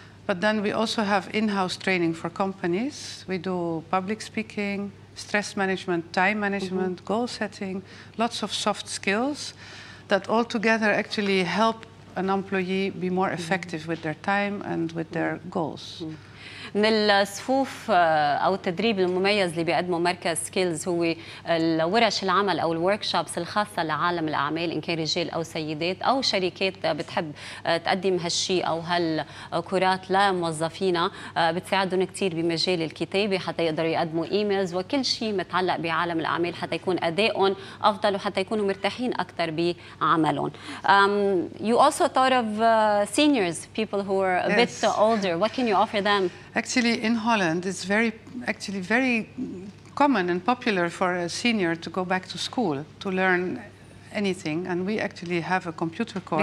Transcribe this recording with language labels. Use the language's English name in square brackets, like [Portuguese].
[English] But then we also have in-house training for companies. We do public speaking, stress management, time management, mm-hmm. goal setting, lots of soft skills that all together actually help an employee be more effective mm-hmm. with their time and with mm-hmm. their goals. Mm-hmm. [Arabic] من الصفوف او التدريب المميز اللي بيقدمه مركز سكيلز هو ورش العمل او الوركشوبس الخاصه لعالم الاعمال ان كان رجال او سيدات او شركات بتحب تقدم هالشيء او هالكورات لموظفينا، بتساعدهم كثير بمجال الكتابه حتى يقدروا يقدموا ايميلز وكل شيء متعلق بعالم الاعمال حتى يكون ادائهم افضل وحتى يكونوا مرتاحين اكثر بعملهم. [English] You also thought of seniors, people who are a yes. bit older. What can you offer them? Actually, in Holland, it's very common and popular for a senior to go back to school to learn anything. And we actually have a computer course.